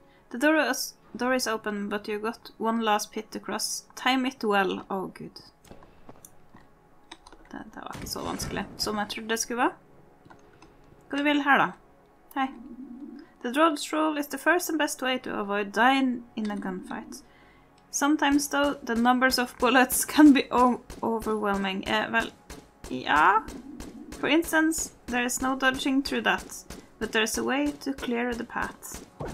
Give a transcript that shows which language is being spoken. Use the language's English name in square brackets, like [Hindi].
[English] The door is open, but you got one last pit to cross. Time it well. Oh, good. [Norwegian] Det var ikke så vanskelig som jeg trodde det skulle være. Hva du vil her da? Hei. [English] The draw's rule is the first and best way to avoid dying in a gunfight. Sometimes though, the numbers of bullets can be overwhelming. Vel, ja. For instance, there is no dodging through that, but there is a way to clear the path.